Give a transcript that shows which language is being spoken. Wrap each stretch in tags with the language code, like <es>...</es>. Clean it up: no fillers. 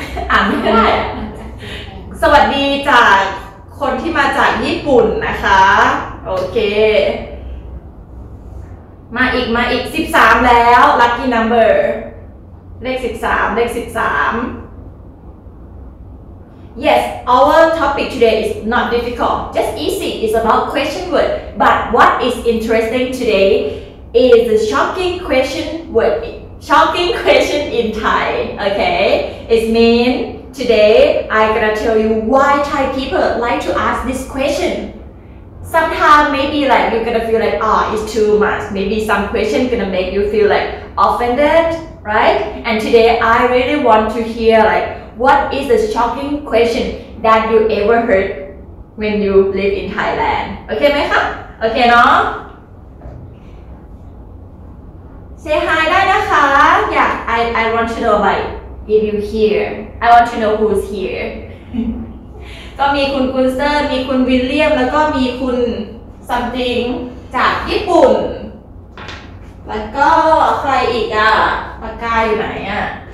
<th>อ่านไม่ได้สวัสดีจากคนที่มาจากญี่ปุ่นนะคะโอเคมาอีก13แล้ว</th> <en>lucky number</en> <th>เลข 13</th> <en>yes our topic today is not difficult just easy it's about question word but what is interesting today is the shocking question word shocking question in Thai okay it meansToday, I'm gonna tell you why Thai people like to ask this question. Sometimes, maybe like you're gonna feel like, oh, it's too much. Maybe some question gonna make you feel like offended, right? And today, I really want to hear like, what is the shocking question that you ever heard when you live in Thailand? Okay,</en> <th>ไหมคะ?</th> <en>Okay, no? Say hi,</en> <th>ได้นะคะ?</th> <en>Yeah, I want to know like,If you here, I want to know who's here.</en> <th>ก็มีคุณกุนเซอร์มีคุณวิลเลียมแล้วก็มีคุณ</th> <en>something</en> <th>จากญี่ปุ่นแล้วก็ใครอีกอ่ะปากกาอยู่ไหนอ่ะ</th>